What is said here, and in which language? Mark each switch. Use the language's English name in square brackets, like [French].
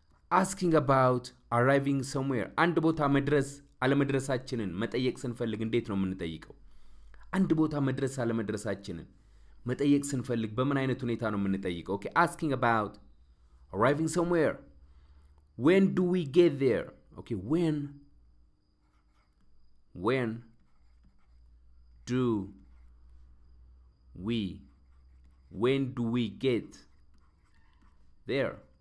[English] asking about arriving somewhere [Amharic] አንድ ቦታ መድረስ አለመድረሳችንን መጠየቅ ስንፈልግ እንዴት ነው የምንጠይቀው? አንድ ቦታ መድረስ አለመድረሳችንን መጠየቅ ስንፈልግ በምን አይነት ሁኔታ ነው የምንጠይቀው? [English] okay asking about arriving somewhere when do we get there? okay when do we, when do we get there?